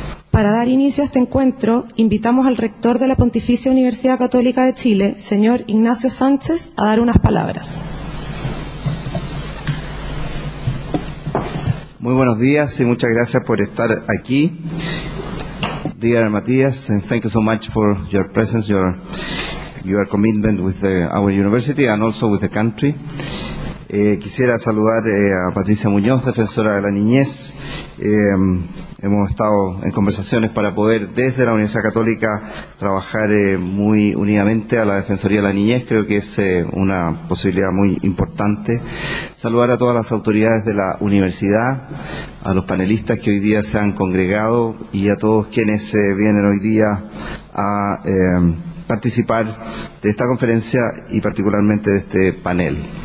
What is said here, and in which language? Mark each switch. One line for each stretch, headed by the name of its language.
Spanish: Para dar inicio a este encuentro, invitamos al rector de la Pontificia Universidad Católica de Chile, señor Ignacio Sánchez, a dar unas palabras. Muy buenos días y muchas gracias por estar aquí.
English: Dear Matías, and thank you so much for your presence, your commitment with our university and also with the country.
Spanish: Quisiera saludar a Patricia Muñoz, defensora de la niñez. Hemos estado en conversaciones para poder desde la Universidad Católica trabajar muy unidamente a la Defensoría de la Niñez. Creo que es una posibilidad muy importante. Saludar a todas las autoridades de la universidad, a los panelistas que hoy día se han congregado y a todos quienes vienen hoy día a participar de esta conferencia y particularmente de este panel.